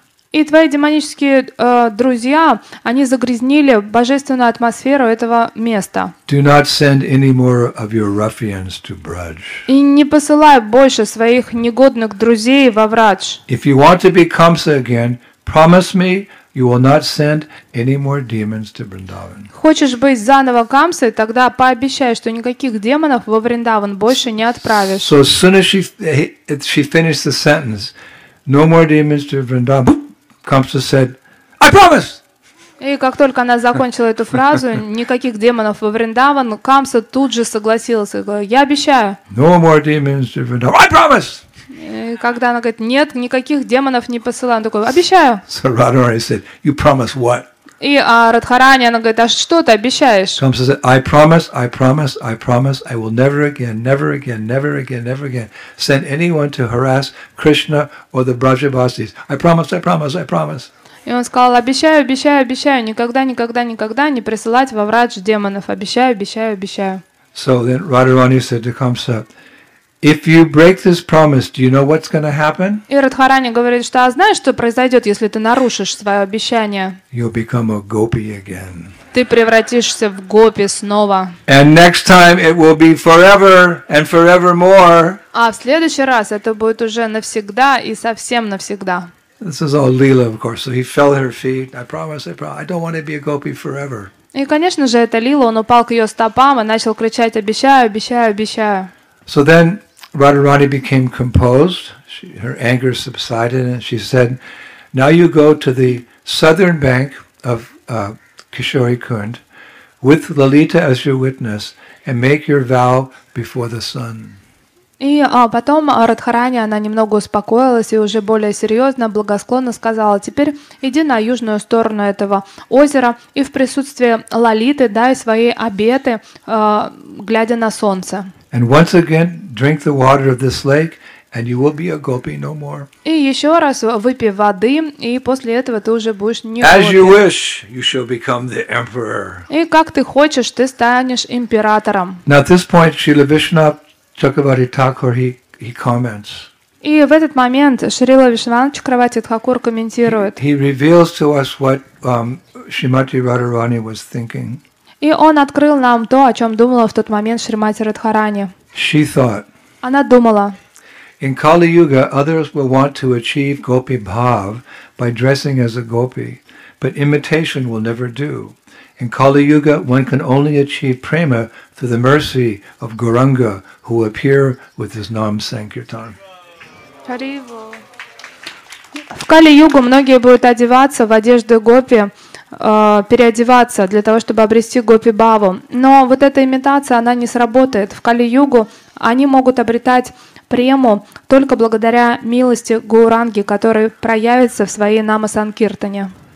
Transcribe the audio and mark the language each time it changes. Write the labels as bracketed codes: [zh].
[ru] И твои демонические друзья, они загрязнили божественную атмосферу этого места. [en] Do not send any more of your ruffians to Braj. [ru] И не посылай больше своих негодных друзей во Врадж. [en] If you want to be Kamsa again, promise me. You will not send any more demons to Vrindavan. [ru] Хочешь быть заново Камсой, тогда пообещай, что никаких демонов во Вриндаван больше не отправишь. [en] So as soon as she finished the sentence, no more demons to Vrindavan, Kamsa said, I promise! [ru] И как только она закончила эту фразу, никаких демонов во Вриндаван, Камса тут же согласилась и говорила, я обещаю. [en] No more demons to Vrindavan, I promise! [ru] И когда она говорит, нет, никаких демонов не посылаю, он такой, обещаю. [en] So Radha already said, you promise what? [ru] И Радхарани, она говорит, а что ты обещаешь? [en] Comes and says, I promise, I promise, I promise, I will never again, never again, never again, never again send anyone to harass Krishna or the Brajavasis. I promise, I promise, I promise. [ru] И он сказал, обещаю, обещаю, обещаю, никогда, никогда, никогда не присылать во врадж демонов. Обещаю, обещаю, обещаю. [en] So then Radharani said to Kamsa, if you break this promise, do you know what's going to happen? [ru] И Радхарани говорит, что а знаешь, что произойдет, если ты нарушишь свое обещание? [en] You'll become a gopi again. [ru] Ты превратишься в гопи снова. [en] And next time it will be forever and forevermore. [ru] А в следующий раз это будет уже навсегда и совсем навсегда. [en] This is all Leela, of course. So he fell at her feet. I promise, I promise. I don't want to be a gopi forever. [ru] И, конечно же, это Лила, он упал к ее стопам и начал кричать, обещаю, обещаю, обещаю. [en] So then Radharani became composed, her anger subsided, and she said, now you go to the southern bank of Kishori Kund with Lalita as your witness and make your vow before the sun. [ru] И потом Радхарани, она немного успокоилась и уже более серьезно, благосклонно сказала, теперь иди на южную сторону этого озера и в присутствии Лалиты дай свои обеты, глядя на солнце. [en] And once again, drink the water of this lake, and you will be a gopi no more. [ru] И еще раз выпей воды, и после этого ты уже будешь не гопи. [en] As you wish, you shall become the emperor. [ru] И как ты хочешь, ты станешь императором. [en] Now at this point, Srila Vishnup, Чакравати Такур, he comments. [ru] И в этот момент Шрила Вишнуанатха Чакравати Такур комментирует. [en] He reveals to us what Shrimati Radharani was thinking. [ru] И он открыл нам то, о чем думала в тот момент Шримати Радхарани. [en] She thought. [ru] Она думала. [en] In Kali Yuga, others will want to achieve Gopi Bhav by dressing as a gopi, but imitation will never do. In Kali Yuga, one can only achieve prema through the mercy of Gauranga, who will appear with his Nam Sankirtan. [ru] В Кали Югу многие будут одеваться в одежды гопи, переодеваться для того, чтобы обрести гопи баву. Но вот эта имитация, она не сработает. В Кали Югу они могут обретать прему только благодаря милости Гауранги, который проявится в своей Нама Санкиртане.